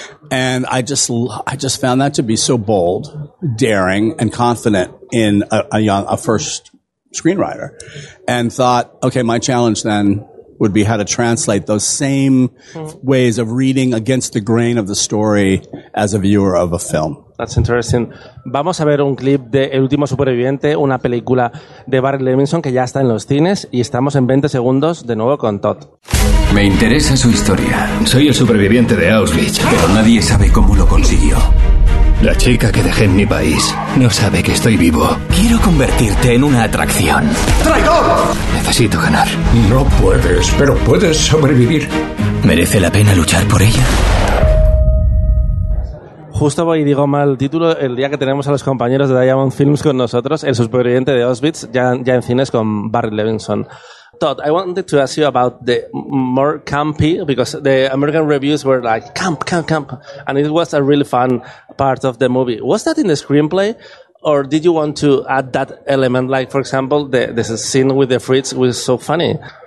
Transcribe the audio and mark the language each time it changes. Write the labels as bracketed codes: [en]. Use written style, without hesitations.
[en] And I just found that to be so bold, daring, and confident in a first screenwriter, and thought, okay, my challenge then would be how to translate those same ways of reading against the grain of the story as a viewer of a film. That's interesting. [es] Vamos a ver un clip de El Último Superviviente, una película de Barry Levinson que ya está en los cines, y estamos en 20 segundos de nuevo con Todd. Me interesa su historia. Soy el superviviente de Auschwitz, pero nadie sabe cómo lo consiguió. La chica que dejé en mi país no sabe que estoy vivo. Quiero convertirte en una atracción. ¡Traidor! Necesito ganar. No puedes, pero puedes sobrevivir. ¿Merece la pena luchar por ella? Justo voy y digo mal el título, el día que tenemos a los compañeros de Diamond Films con nosotros, el superviviente de Auschwitz, ya en cines con Barry Levinson. [en] Todd, I wanted to ask you about the more campy, because the American reviews were like, camp, camp, camp, and it was a really fun part of the movie. Was that in the screenplay, or did you want to add that element? Like, for example, the scene with the Fritz was so funny.